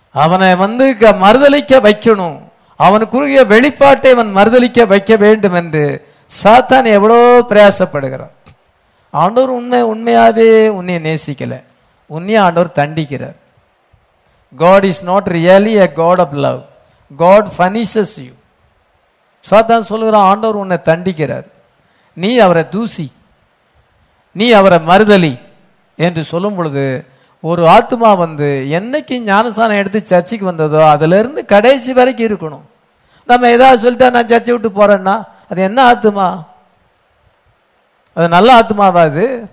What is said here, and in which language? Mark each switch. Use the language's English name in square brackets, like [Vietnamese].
[Tamil] அவனை வந்து மறுதளிக்க வைக்கணும், அவனுக்குரிய வெளிப்பாட்டை அவன் மறுதளிக்க வைக்க வேண்டும் என்று சாத்தான் எவ்வளோ பிரயாசப்படுகிறான். ஆண்டவர் உண்மையாவே உன்னை நேசிக்கல, உன்னையும் ஆண்டவர் தண்டிக்கிறார். [English] God is not really a God of love. God punishes you. [Tamil] சாத்தான் சொல்லுகிறான், ஆண்டவர் உன்னை தண்டிக்கிறார், நீ அவரை தூசி, நீ அவரை மறுதலி என்று சொல்லும் பொழுது ஒரு ஆத்மா வந்து என்னைக்கு ஞானஸ்தானம் எடுத்து சர்ச்சைக்கு வந்ததோ அதிலிருந்து கடைசி வரைக்கும் இருக்கணும். நம்ம ஏதாவது சொல்லிட்டா நான் சர்ச்சை விட்டு போறேன்னா அது என்ன ஆத்துமா? அது நல்ல ஆத்துமாவாது?